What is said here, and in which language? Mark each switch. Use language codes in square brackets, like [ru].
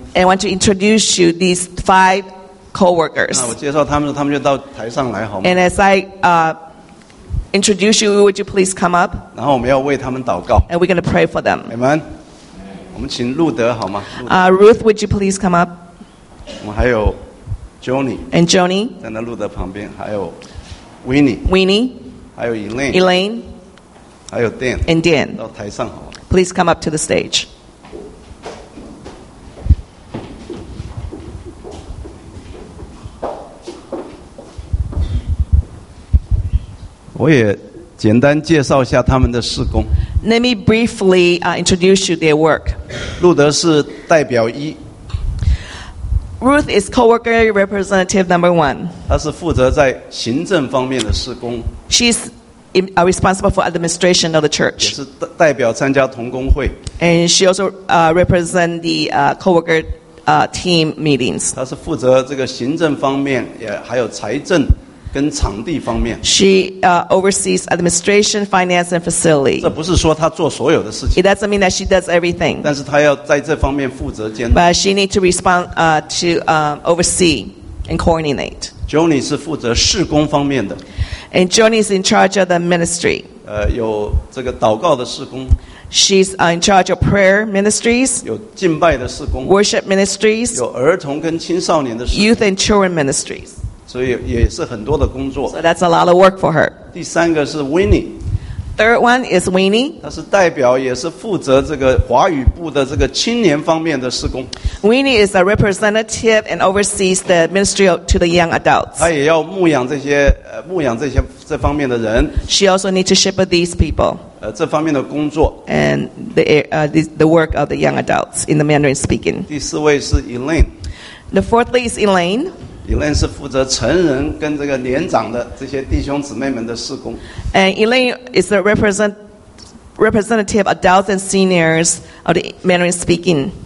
[en] And I want to introduce you these 5 co-workers [zh] 那我介绍他们他们就到台上来好吗 [en] And as I introduce you would you please come up [zh] 然后我们要为他们祷告 [en] And we're going to pray for them [zh] Amen 我们请路德好吗 [en] Ruth would you please come up [zh] 我们还有 Johnny [en] And Johnny [zh] 在那路德旁边还有 Winnie 还有 Elaine [en] And Dan. [zh] 到台上好 [en] 吗?Please come up to the stage. [zh] 我也简单介绍一下他们的事工。 [en] Let me briefly introduce you their work. [zh] 路德是代表一。 [en] Ruth is co-worker representative number one. [zh] 她是负责在行政方面的事工。 [en] She's are responsible for administration of the church. [zh] 也是代表参加同工会。 [en] And she also represents the co-worker team meetings. [zh] 她是负责这个行政方面，也还有财政跟场地方面。 [en] She oversees administration, finance, and facility. [zh] 这不是说她做所有的事情。 [en] It doesn't mean that she does everything. [zh] 但是她要在这方面负责监督。 [en] But she needs to respond to oversee and coordinate. [zh] Johnny 是负责事工方面的。 [en] And Johnny is in charge of the ministry. [zh] 有这个祷告的事工。 [en] She's in charge of prayer ministries. [zh] 有敬拜的事工。 [en] Worship ministries. [zh] 有儿童跟青少年的事工。 [en] Youth and children ministries. [zh] 所以也是很多的工作。 [en] So that's a lot of work for her. [zh] 第三个是 Winnie。 [en] Third one is Winnie. [zh] 他是代表，也是负责这个华语部的这个青年方面的事工。 [en] Winnie is a representative and oversees the ministry to the young adults. [zh] 他也要牧养这些牧养这些这方面的人。 [en] She also needs to shepherd these people. [zh] 这方面的工作。 [en] And the work of the young adults in the Mandarin speaking. [zh] 第四位是 Elaine. [en] The fourthly is Elaine. [zh] Elaine 是负责成人跟这个年长的这些弟兄姊妹们的事工。 [en] And Elaine is the representative adults and seniors of the Mandarin speaking.